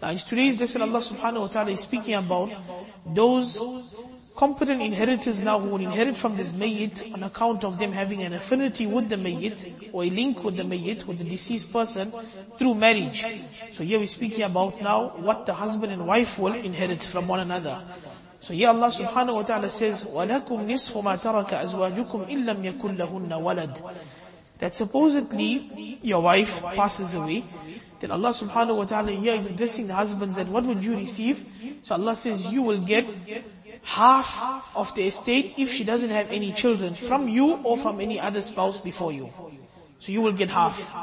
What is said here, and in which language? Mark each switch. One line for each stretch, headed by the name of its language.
English: Now in today's lesson, Allah subhanahu wa ta'ala is speaking about those competent inheritors now who will inherit from this mayyit on account of them having an affinity with the mayyit or a link with the mayyit, with the deceased person through marriage. So here we speak here about now what the husband and wife will inherit from one another. So here Allah subhanahu wa ta'ala says,
Arabic: وَلَكُمْ نِصْفُ مَا تَرَكَ أَزْوَاجُكُمْ إِن لَّمْ يَكُنْ لَهُنَّ وَلَدٌ.
English: That supposedly your wife passes away, then Allah subhanahu wa ta'ala here is addressing the husbands that what would you receive? So Allah says you will get half of the estate if she doesn't have any children from you or from any other spouse before you. So you will get half.